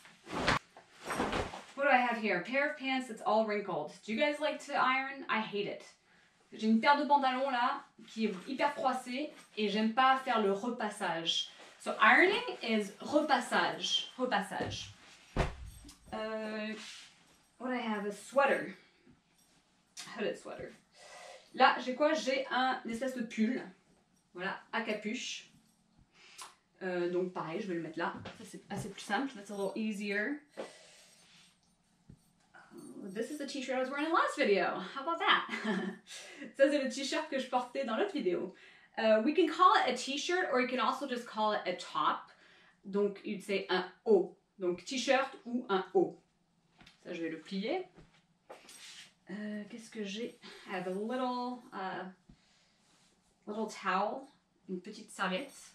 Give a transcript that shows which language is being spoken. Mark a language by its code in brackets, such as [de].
[en] What do I have here? A pair of pants that's all wrinkled. Do you guys like to iron? I hate it. [fr] J'ai une paire de pantalons là qui est hyper froissée et j'aime pas faire le repassage. [en] So ironing is repassage. Repassage. What do I have? A sweater. Hooded sweater. [fr] Là, j'ai quoi? J'ai un espèce de pull. Voilà, à capuche. Donc pareil, je vais le mettre là. Ça, c'est assez plus simple. [en] That's a little easier. This is the t-shirt I was wearing in the last video. How about that? [fr] Ça, c'est le t-shirt que je portais dans l'autre vidéo. [en] We can call it a t-shirt or you can also just call it a top. [fr] Donc, [en] you'd say [fr] un haut. Donc, t-shirt ou un haut. Ça, je vais le plier. Qu'est-ce que j'ai? [en] I have a little towel. [fr] Une petite serviette.